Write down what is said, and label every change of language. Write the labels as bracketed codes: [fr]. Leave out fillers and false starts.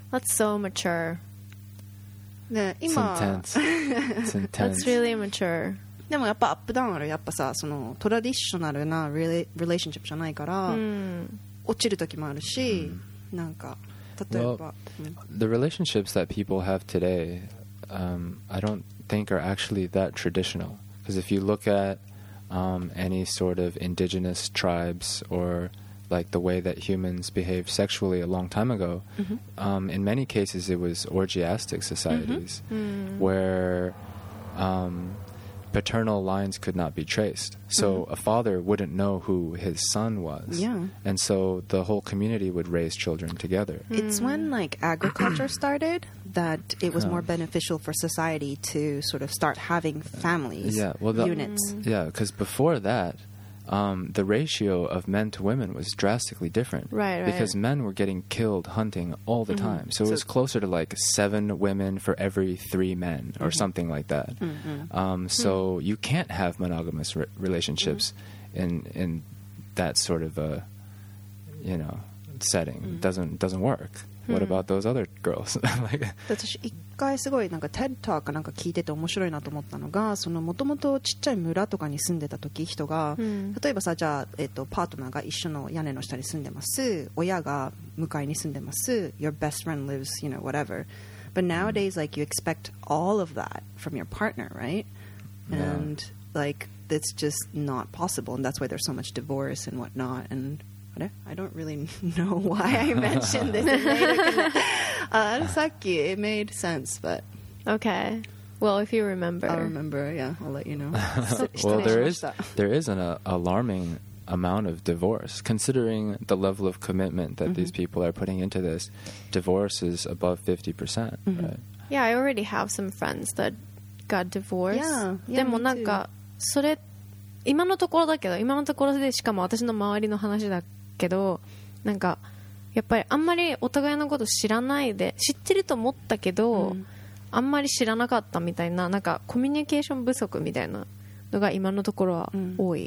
[en] That's so mature [ja] ね今 [en] It's intense. It's intense That's really mature [ja] でもやっぱアップダウンあるやっぱさそのトラディショナルなリレーションシップじゃないから、うん、落ちる時もあるし、うん、なんか例えば [en] well,、 [ja] うん、 [en] The relationships that people have today、I don't think are actually that traditional because if you look at、any sort of indigenous tribes or like the way that humans behaved sexually a long time ago、 mm-hmm. In many cases it was orgiastic societies、 mm-hmm. where、paternal lines could not be traced so、mm-hmm. a father wouldn't know who his son was、 yeah. and so the whole community would raise children together it's、mm. when like agriculture started that it was、more beneficial for society to sort of start having families yeah, well, the, units、 mm. yeah because before that、the ratio of men to women was drastically different right, because right. men were getting killed hunting all the、mm-hmm. time so it was closer to like 7 women for every 3 men or、mm-hmm. something like that、 mm-hmm. So、mm-hmm. you can't have monogamous relationships、mm-hmm. in that sort of a you know setting、mm-hmm. doesn't work、mm-hmm. what about those other girls [ja] like 私一回すごいなんか TED Talk なんか聞いてて面白いなと思ったのがそのもともとちっちゃい村とかに住んでた時人が、 mm-hmm. [en] 例えばさじゃあ、パートナーが一緒の屋根の下に住んでます親が向かいに住んでます your best friend lives you know whatever but nowadays、mm-hmm. like you expect all of that from your partner right and、 yeah. like that's just not possible and that's why there's so much divorce and whatnot andI don't really know why I mentioned this. Saki, it made sense, but... Okay. Well, if you remember. I'll remember, yeah. I'll let you know. Well, there is an alarming amount of divorce. Considering the level of commitment that、mm-hmm. these people are putting into this, divorce is above 50%,、mm-hmm. right? Yeah, I already have some friends that got divorced. Yeah, me too. [ja] But それ今のところだけど今のところでしかも私の周りの話だけどなんかやっぱりあんまりお互いのこと知らないで知ってると思ったけど、うん、あんまり知らなかったみたいななんかコミュニケーション不足みたいなのが今のところは多い、